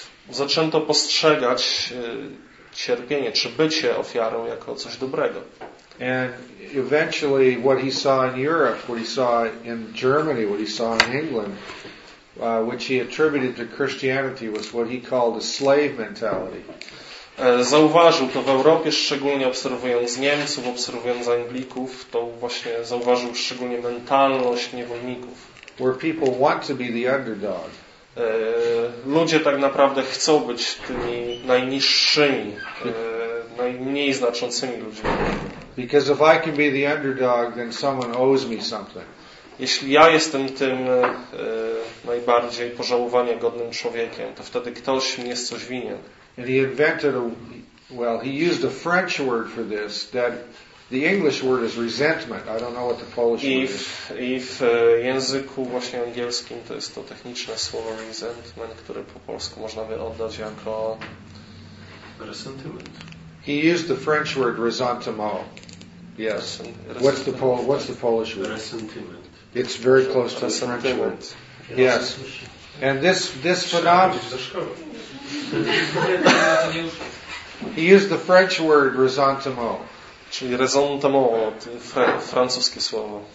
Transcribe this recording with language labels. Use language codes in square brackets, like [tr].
[pl] Zaczęto postrzegać cierpienie czy bycie ofiarą jako coś dobrego. [en] And eventually what he saw in Europe, what he saw in Germany, what he saw in England, which he attributed to Christianity, was what he called a slave mentality. [pl] Zauważył to w Europie, szczególnie obserwując Niemców, obserwując Anglików, to właśnie zauważył szczególnie mentalność niewolników. [en] Where people want to be the underdog. [pl] Ludzie tak naprawdę chcą być tymi najniższymi, najmniej znaczącymi ludźmi. [en] Because if I can be the underdog, then someone owes me something. [pl] Jeśli ja jestem tym najbardziej pożałowania godnym człowiekiem, to wtedy ktoś mi jest coś winien. [en] And he invented he used a French word for this, that the English word is resentment. I don't know what the Polish word is. [pl] I w języku właśnie angielskim to jest to techniczne słowo resentment, które po polsku można by oddać jako [fr] resentiment. [en] He used the French word resentment. Yes. What's the Polish word? [fr] Resentiment. [en] It's very close to the French word. Yes. And this phenomenon. He used the French word resentiment. [pl] Czyli resentiment, francuskie słowo.